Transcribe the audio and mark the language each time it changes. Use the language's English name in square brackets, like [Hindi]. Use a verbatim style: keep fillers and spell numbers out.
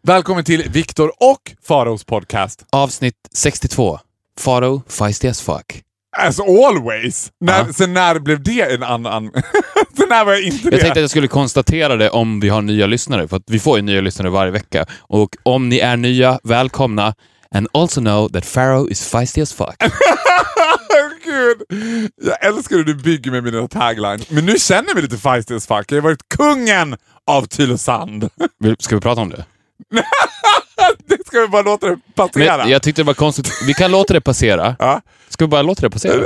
[Swedish] Välkommen till Viktor och Faros podcast. Avsnitt sextiotvå. Faro, [English] feisty as fuck. As always. När, uh-huh. [Swedish] Sen när blev det en annan... sen när var jag inte jag det. Jag tänkte att jag skulle konstatera det om vi har nya lyssnare. För att vi får ju nya lyssnare varje vecka. Och om ni är nya, välkomna. [English] And also know that Faro is feisty as fuck. [Swedish] Gud. Jag älskar hur du bygger med mina taglines. Men nu känner vi lite [English] feisty as fuck. [Swedish] Jag har varit kungen av Tylösand. Ska vi prata om det? Det ska vi bara låta det passera. Men jag tyckte det var konstigt. Vi kan låta det passera. Ja. Ska vi bara låta det passera?